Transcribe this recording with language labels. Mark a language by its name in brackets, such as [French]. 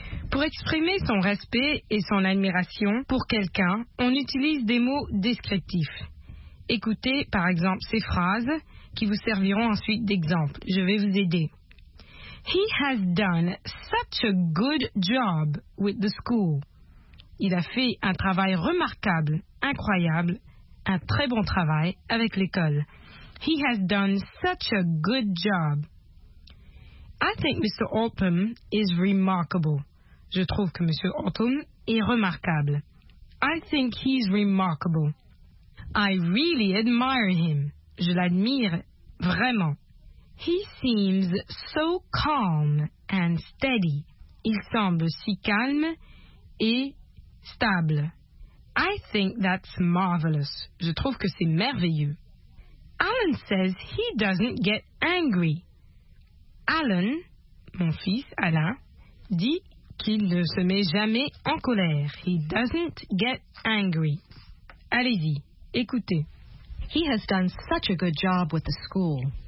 [French] Pour exprimer son respect et son admiration pour quelqu'un, on utilise des mots descriptifs. Écoutez, par exemple, ces phrases qui vous serviront ensuite d'exemple. Je vais vous aider. [English] He has done such a good job with the school. [French] Il a fait un travail remarquable, incroyable, un très bon travail avec l'école. [English] He has done such a good job. I think Mr. Altman is remarkable. [French] Je trouve que Monsieur Altman est remarquable. [English] I think he's remarkable. I really admire him. [French] Je l'admire vraiment. [English] He seems so calm and steady. [French] Il semble si calme et stable. [English] I think that's marvelous. [French] Je trouve que c'est merveilleux. [English] Alan says he doesn't get angry. [French] Alan, mon fils Alan, dit qu'il ne se met jamais en colère. [English] He doesn't get angry. [French] Allez-y, écoutez. [English] He has done such a good job with the school.